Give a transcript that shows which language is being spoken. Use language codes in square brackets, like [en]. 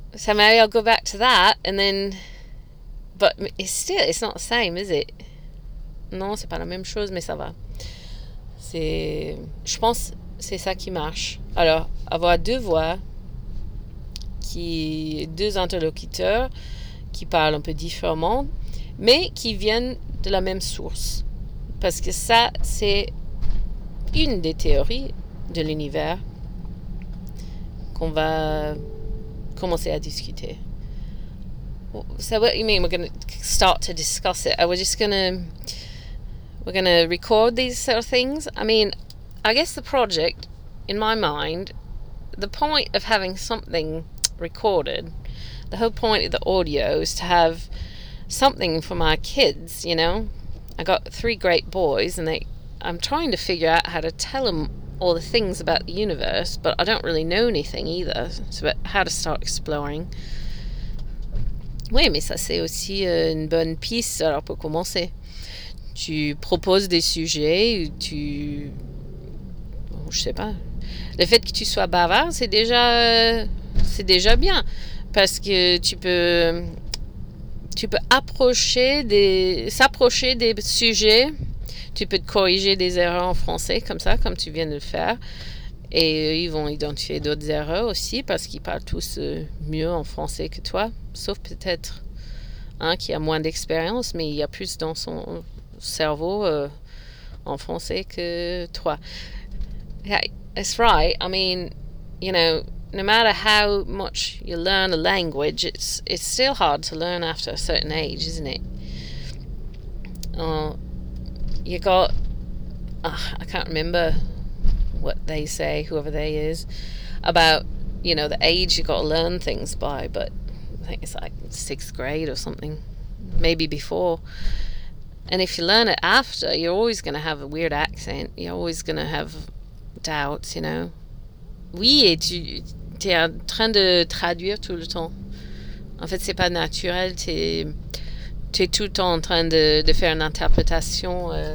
[en] So maybe I'll go back to that and then. But it's still, it's not the same, is it? [fr] Non, c'est pas la même chose, mais ça va. Je pense c'est ça qui marche. Alors, avoir deux voix, deux interlocuteurs qui parlent un peu différemment, mais qui viennent de la même source. Parce que ça, c'est une des théories de l'univers qu'on va commencer à discuter. [en] So what you mean we're going to start to discuss it? Are we just going to record these sort of things? I mean, I guess the project, in my mind, the point of having something recorded, the whole point of the audio is to have something for my kids, you know? I got three great boys and I'm trying to figure out how to tell them all the things about the universe, but I don't really know anything either, so how to start exploring. [fr] Oui, mais ça, c'est aussi une bonne piste alors pour commencer. Tu proposes des sujets, tu. Bon, je sais pas. Le fait que tu sois bavard, c'est déjà bien. Parce que tu peux s'approcher des sujets. Tu peux te corriger des erreurs en français, comme ça, comme tu viens de le faire. Et ils vont identifier d'autres erreurs aussi parce qu'ils parlent tous mieux en français que toi. Sauf peut-être un qui a moins d'expérience, mais il y a plus dans son cerveau en français que toi. [en] Yeah, that's right. I mean, you know, no matter how much you learn a language, it's still hard to learn after a certain age, isn't it? I can't remember what they say, whoever they is, about, you know, the age you got to learn things by, but I think it's like sixth grade or something, maybe before. And if you learn it after, you're always going to have a weird accent. You're always going to have doubts, you know. [fr] Oui, et tu es en train de traduire tout le temps. En fait, c'est pas naturel. Tu es tout le temps en train de faire une interprétation.